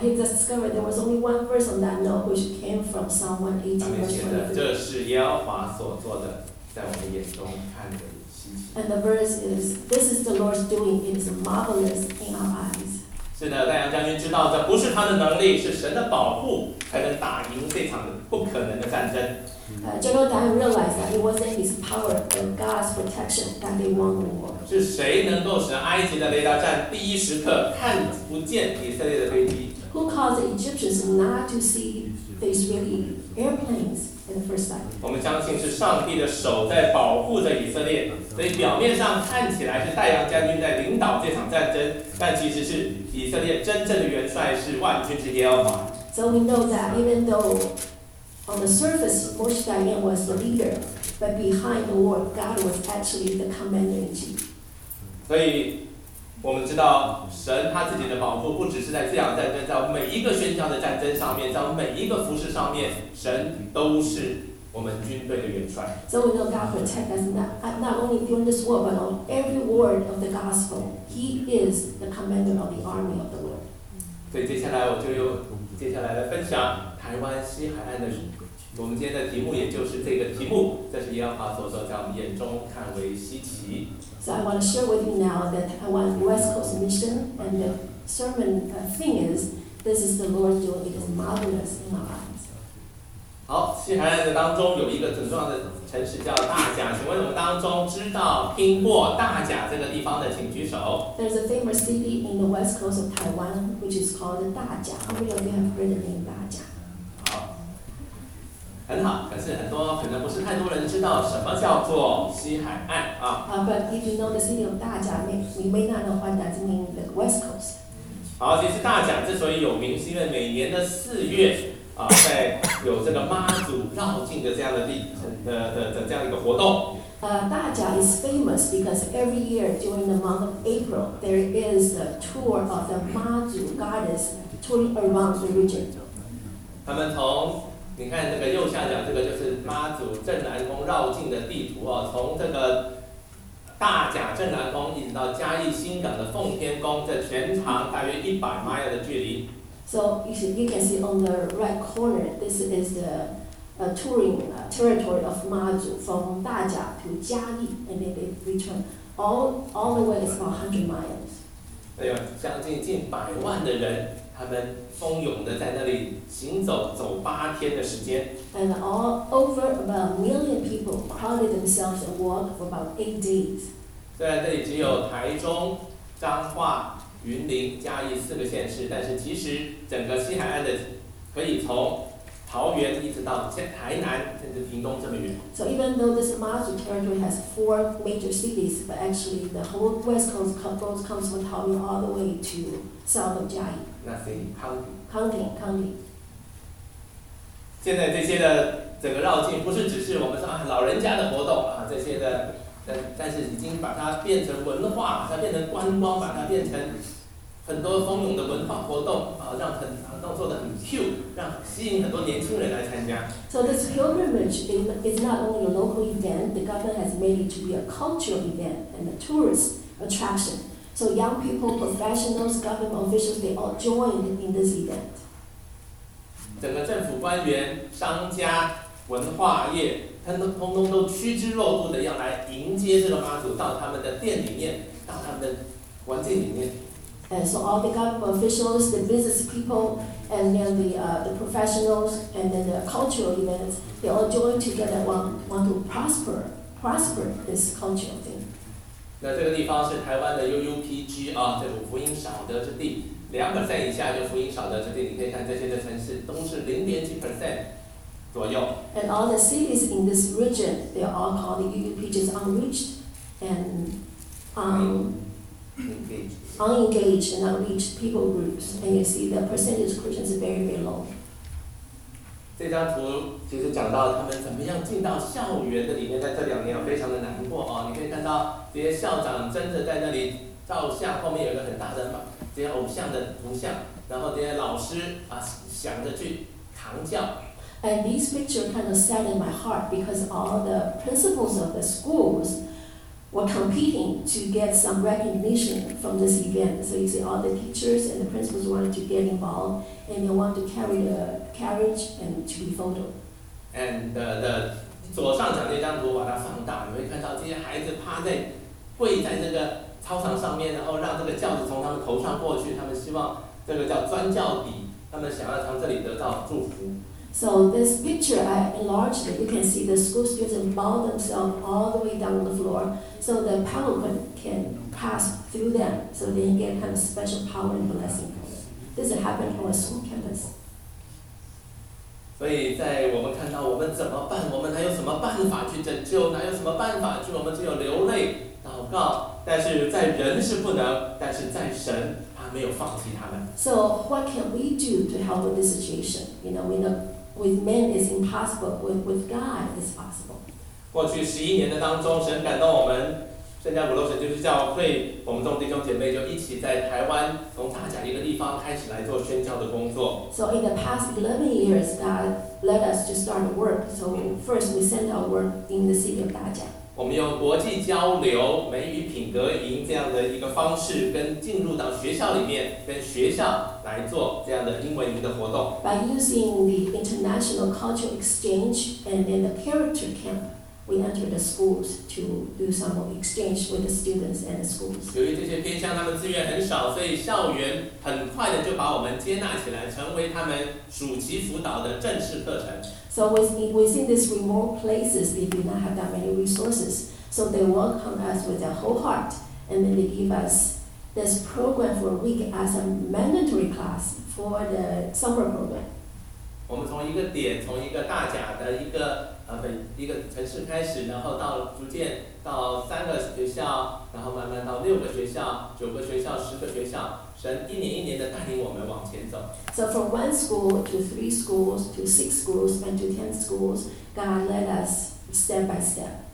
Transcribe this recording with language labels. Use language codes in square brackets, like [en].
[en] He just discovered there was only one verse on that note, which came from Psalm 118:23. [zh] 这是耶和华所做的，在我们眼中看的。 [en] And the verse is, "This is the Lord's doing; it is marvelous in our eyes." [zh] 是的，大洋将军知道这不是他的能力，是神的保护才能打赢这场不可能的战争。 [en] General Dan realized that it wasn't his power, but God's protection that they won the war. [zh] 是谁能够使埃及的雷达站第一时刻看不见以色列的飞机 [en] ？Who caused the Egyptians not to see the Israeli airplanes in the first sight? [zh] 我们相信是上帝的手在保护着以色列。所以表面上看起来是大洋将军在领导这场战争，但其实是以色列真正的元帅是万军之耶和华。 [en] So we know that even though on the surface Moshe Dayan was the leader, but behind the war, God was actually the commander in chief. [zh] 所以我们知道神他自己的保护不只是在这场战争，在每一个宣教的战争上面，在每一个服事上面，神都是。我们军队的元帅。 [en] So we know God protects us not only during this war, but on every word of the gospel. He is the commander of the army of the Lord. [zh] 所以接下来我就有接下来的分享台湾西海岸的。我们今天的题目也就是这个题目，这是耶和华所说，在我们眼中看为稀奇。 [en] So I want to share with you now the Taiwan West Coast Mission and the sermon thing is, this is the Lord doing it is marvelous in our eyes. [zh] 好，西海岸的当中有一个很重要的城市叫大甲。请问我们当中知道听过大甲这个地方的，请举手。 [en] There's a famous city in the west coast of Taiwan, which is called 大甲。 How many of you have heard the name 大甲？ [zh] 好，很好。可是很多可能不是太多人知道什么叫做西海岸啊。 [en] But if you know the city of 大甲, you may not know what that means the west coast. [zh] 好，其实大甲之所以有名，是因为每年的四月。在有这个妈祖绕境的这样的地的这样一个活动。 [en] 大甲 is famous because every year during the month of April, there is a tour of the 妈祖 goddess touring around the region. [zh] 他们从你看这个右下角这个就是妈祖镇南宫绕境的地图哦，从这个大甲镇南宫一直到嘉义新港的奉天宫，这全长大约100 miles的距离。 [en] So you can see on the right corner, this is the touring territory of Ma Zhu from Da Jia to Jia Yi, and then they return. All the way is about 100 miles. [zh] 将近近百万的人，他们蜂拥的在那里行走，走8天的时间。 [en] And all over about 1 million people crowded themselves and walked for about 8 days. [zh] 虽然这里只有台中、彰化。云林嘉义四个县市，但是其实整个西海岸的可以从桃园一直到台南甚至屏东这么远。 [en] So even though this Mazu territory has four major cities, but actually the whole west coast comes from 桃园 all the way to south of 嘉义。 [zh] 那是 [en] county。 [zh] 现在这些的整个绕境不是只是我们说啊老人家的活动啊这些的，但是已经把它变成文化，把它变成观光，把它变成很多蜂拥的文化活动啊，让很都做得很 cute， 让吸引很多年轻人来参加。 [en] So this pilgrimage is not only a local event. The government has made it to be a cultural event and a tourist attraction. So young people, professionals, government officials, they all joined in this event. [zh] 整个政府官员、商家、文化业，他们通通都趋之若鹜的要来迎接这个妈祖到他们的店里面，到他们的环境里面。 [en] And so all the government officials, the business people, and then the professionals, and then the cultural events, they all join together want to prosper this cultural thing. [zh] 那这个地方是台湾的 UUPG 啊，这种福音少得之地。 2% 以下就福音少的这些，你可以看这些的城市都是0.几%左右。 [en] And all the cities in this region, they are all called the UUPGs unreached and unengaged and unreached people groups. And you see the percentage of Christians is very, very low. [zh] 这张图其实讲到他们怎么样进到校园的里面，在这两年非常的难过啊、哦。你可以看到这些校长真的在那里照相，后面有一个很大的嘛。这些偶像的图像，然后这些老师啊，想着去扛教。 [en] And this picture kind of saddened my heart because all the principals of the schools were competing to get some recognition from this event. So you see, all the teachers and the principals wanted to get involved, and they wanted to carry the carriage and to be photo. And the [zh] 左上角那张图把它放大，你会看到这些孩子趴在跪在那个。操场上面，然后让这个轿子从他们头上过去，他们希望这个叫钻轿底，他们想要从这里得到祝福。 [en] So this picture I enlarged it. You can see the school students bow themselves all the way down the floor, so the power can pass through them, so they get kind of special power and blessing. This happened on a school campus. [zh] 所以在我们看到我们怎么办，我们还有什么办法去拯救？哪有什么办法去？我们只有流泪祷告。但是在人是不能，但是在神他没有放弃他们。 [en] So what can we do to help with this situation? You know, with men is impossible, with God is possible. [zh] 过去十一年的当中，神感动我们，圣家普罗神就是教会，我们众弟兄姐妹就一起在台湾从大甲一个地方开始来做宣教的工作。 [en] So in the past 11 years, God led us to start work. So first we sent our work in the city of 大甲。 [zh] 我们用国际交流、美语品格营这样的一个方式，跟进入到学校里面，跟学校来做这样的英文营的活动。 [en] By using the international cultural exchange and then the character camp, we entered the schools to do some exchange with the students and the schools. [zh] 由于这些偏乡他们资源很少，所以校园很快的就把我们接纳起来，成为他们暑期辅导的正式课程。 [en] So within these remote places, they do not have that many resources. So they welcome us with their whole heart, and then they give us this program for a week as a mandatory class for the summer program. [zh] 我们从一个点，从一个大甲的一个一个城市开始，然后到逐渐到三个学校，然后慢慢到六个学校、九个学校、十个学校。神一年一年的带领我们往前走。 [en] So from one school to three schools to six schools and to 10 schools, God led us step by step.